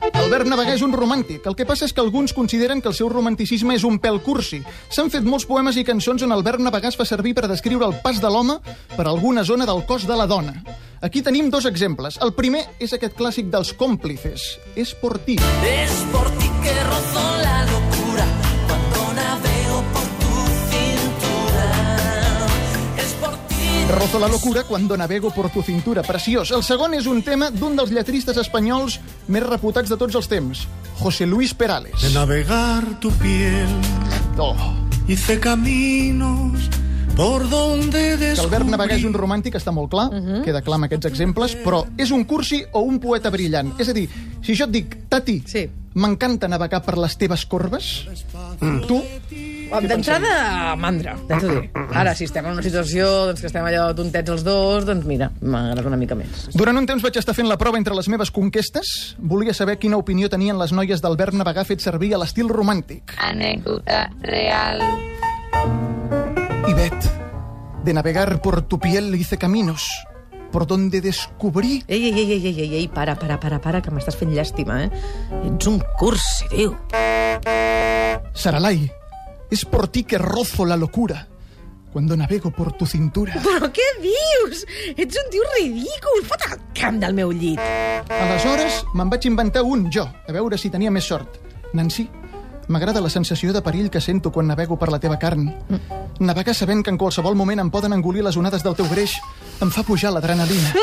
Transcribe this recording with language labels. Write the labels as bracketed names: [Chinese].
[Catalan] Albert Navegà és un romàntic. El que passa és que alguns consideren que el seu romanticisme és un pèl cursi. S'han fet molts poemes i cançons on Albert Navegà es fa servir per descriure el pas de l'home per alguna zona del cos de la dona. Aquí tenim dos exemples. El primer és aquest clàssic dels còmplices. [Spanish] És por ti. És por ti que rozo la locura cuando navego por tu cintura. És por ti... Rozo la locura cuando navego por tu cintura. [Catalan] Preciós. El segon és un tema d'un dels lletristes espanyols més reputats de tots els temps. José Luis Perales. [Spanish] De navegar tu piel. Oh. Hice caminos... [Catalan] Que el verb navegar és un romàntic està molt clar, queda clar amb aquests exemples, però és un cursi o un poeta brillant? És a dir, si jo et dic, Tati, sí, m'encanta navegar per les teves corbes, tu... D'entrada, mandra. Ara, si estem en una situació doncs, que estem allò tontets els dos, doncs mira, m'agrada una mica més. Durant un temps vaig estar fent la prova entre les meves conquestes. Volia saber quina opinió tenien les noies del verb navegar fet servir a l'estil romàntic. Anècdota real... [Spanish] Ivet, de navegar por tu piel hice caminos, por donde descubrí... [Catalan] Ei, para, que m'estàs fent llàstima, eh? Ets un cursi, diu. [Spanish] Saralai, es por ti que rozo la locura cuando navego por tu cintura. [Catalan] Però què dius? Ets un tio ridícul, fot el camp del meu llit. Aleshores, me'n vaig inventar un, jo, a veure si tenia més sort. Nancy, m'agrada la sensació de perill que sento quan navego per la teva carn. Navegar sabent que en qualsevol moment em poden engolir les onades del teu greix em fa pujar l'adrenalina.